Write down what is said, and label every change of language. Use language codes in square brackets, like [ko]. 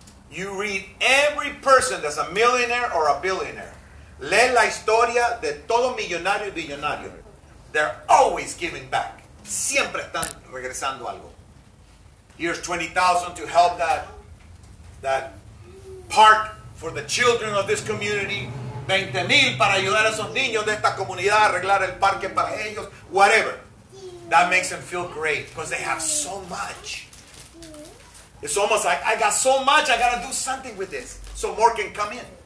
[en] You read every person that's a millionaire or a billionaire. [es] Lee la historia de todo millonario y billonario. [en] They're always giving back. Siempre están regresando algo. Here's $20,000 to help that park for the children of this community. [es] 20,000 para ayudar a esos niños de esta comunidad a arreglar el parque para ellos. [en] Whatever. That makes them feel great because they have so much. It's almost like, I got so much, I got to do something with this so more can come in.